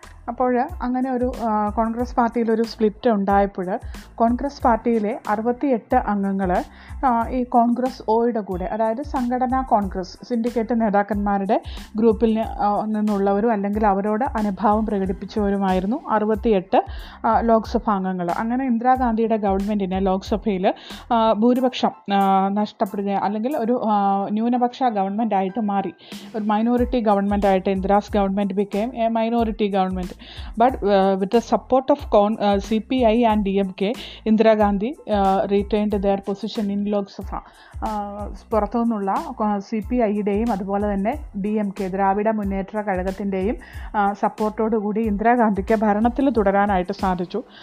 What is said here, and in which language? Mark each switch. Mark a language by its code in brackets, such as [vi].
[ml] അപ്പോൾ അങ്ങനെ ഒരു കോൺഗ്രസ് പാർട്ടിയിലൊരു സ്പ്ലിറ്റ് ഉണ്ടായപ്പോൾ കോൺഗ്രസ് പാർട്ടിയിലെ 68 അംഗങ്ങൾ ഈ കോൺഗ്രസ് O യുടെ കൂടെ, അതായത് സംഘടനാ കോൺഗ്രസ് സിൻഡിക്കേറ്റ് നേതാക്കന്മാരുടെ ഗ്രൂപ്പിൽ നിന്നുള്ളവരും അല്ലെങ്കിൽ അവരോട് അനുഭാവം പ്രകടിപ്പിച്ചവരുമായിരുന്നു 68 ലോക്സഭാ അംഗങ്ങൾ. അങ്ങനെ ഇന്ദിരാഗാന്ധിയുടെ ഗവൺമെൻറ്റിന് ലോക്സഭയിൽ ഭൂരിപക്ഷം നഷ്ടപ്പെടുക അല്ലെങ്കിൽ ഒരു ന്യൂനപക്ഷ ഗവൺമെൻറ്റായിട്ട് മാറി, ഒരു minority ഗവൺമെൻറ്റായിട്ട് [en] Indira's government became a minority government. But with the support of CPI and DMK, Indira Gandhi retained their position in Lok Sabha. [ml] പുറത്തുനിന്നുള്ള CPI-യുടെയും അതുപോലെ തന്നെ DMK ദ്രാവിഡ മുന്നേറ്റ കഴകത്തിൻ്റെയും സപ്പോർട്ടോടുകൂടി ഇന്ദിരാഗാന്ധിക്ക് ഭരണത്തിൽ തുടരാനായിട്ട് സാധിച്ചു.